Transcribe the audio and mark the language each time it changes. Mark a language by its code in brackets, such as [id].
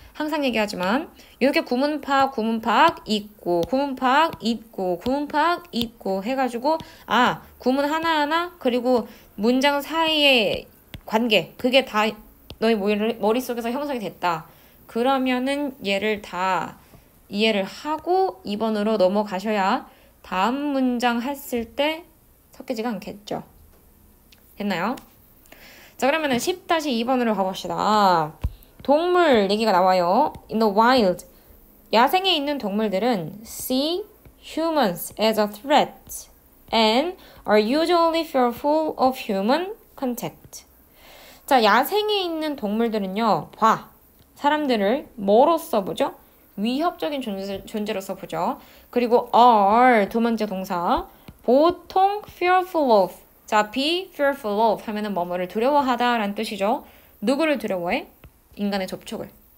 [ko] 항상 얘기하지만 이렇게 구문 파악, 구문 파악 있고, 구문 파악 있고, 구문 파악 있고 해가지고 아, 구문 하나하나 그리고 문장 사이의 관계, 그게 다 너희 머릿속에서 형성이 됐다. 그러면은 얘를 다 이해를 하고 2번으로 넘어가셔야 다음 문장 했을 때 섞이지가 않겠죠. 했나요? 자, 그러면은 10-2번으로 가봅시다. 동물 얘기가 나와요. [en] In the wild, [ko] 야생에 있는 동물들은 [en] see humans as a threat and are usually fearful of human contact. [ko] 자, 야생에 있는 동물들은요, 봐. 사람들을 뭐로서 보죠? 위협적인 존재로서 보죠. 그리고 are, 두 번째 동사. 보통 fearful of, 자, be fearful of 하면은 뭐뭐를 두려워하다라는 뜻이죠. 누구를 두려워해? 인간의 접촉을.